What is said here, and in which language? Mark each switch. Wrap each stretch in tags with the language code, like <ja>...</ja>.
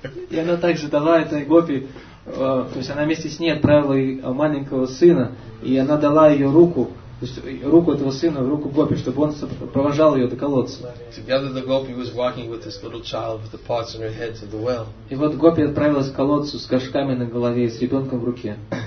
<ru>И она также дала этой гопи, то есть она вместе с ней отправила маленького сына, и она дала ее руку. То есть руку этого сына, руку гопи, чтобы он провожал ее до колодца.</ru> <en>Together the gopi was walking with this little child with the pots on her head to the well.</en> <ru>И вот гопи отправилась к колодцу с горшками на голове и с ребенком в руке.</ru>